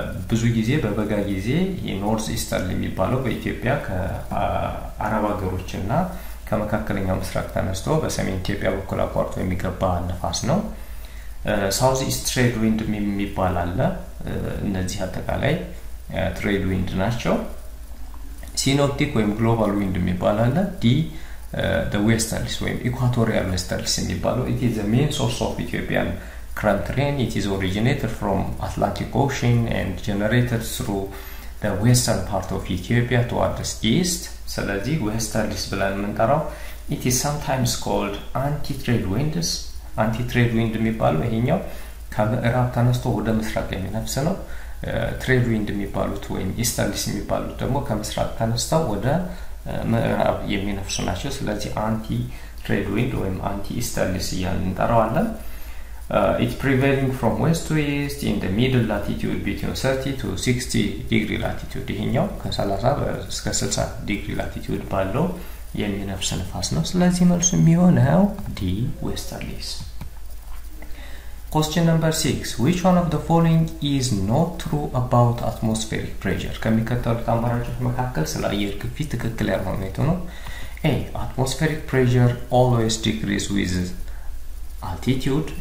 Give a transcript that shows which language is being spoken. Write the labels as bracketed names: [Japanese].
[Amharic] ብዙ ጊዜ በበጋ ጊዜ የኖርዝ ኢስተርን የሚባለው በኢትዮጵያ ከአረብ ሀገሮችና ከመካከለኛው ምስራቅ ተነስቶ በሰሜን ኢትዮጵያ በኩል አቋርጦ የሚገባ ነፋስ ነው። ሳውዝ ኢስት ትሬድ ዊንድ የሚባል አለ። እነዚህ አጠቃላይ ትሬድ ዊንድ ናቸው። ሲኖፕቲክ ወይም ግሎባል ዊንድ የሚባል አለ። ዲ the westerlies ወይም equatorial westerlies የሚባለው [English] it is the main source of Ethiopian current rain. It is originated from Atlantic Ocean and generated through the western part of Ethiopia towards the east. ስለዚህ westerlies [Amharic] ብለን የምንጠራው [English] it is sometimes called anti-trade winds. [Amharic] anti-trade wind የሚባለው ይሄኛው ከምዕራብ ተነስቶ ወደ ምስራቅ የሚነፍስ ነው። trade wind የሚባሉት ወይም easterlies የሚባሉት ደግሞ ከምስራቅ ተነስተው ወደ ምዕራብ የሚነፍሱ ናቸው። ስለዚህ አንቲ ትሬድ ዊንድ ወይም አንቲ ኢስተርሊስ እያልን እንጠራዋለን። [English] ኢት ፕሪቬሊንግ ፍሮም ዌስት ቱ ኢስት ኢን ደ ሚድል ላቲቱድ ቢትዊን 30 ቱ 60 ዲግሪ ላቲቱድ። [Amharic] ይሄኛው ከ30 እስከ 60 ዲግሪ ላቲቱድ ባለው የሚነፍስ ንፋስ ነው። ስለዚህ መልሱ የሚሆነው ዲ ዌስተርሊስ። [English] Question number 6. Which one of the following is not true about atmospheric pressure? [Amharic] ከሚከተሉት አማራጮች መካከል ስለ አየር ግፊት ትክክል ያልሆነ ነው ነው? [English] A. Atmospheric pressure always decreases with altitude.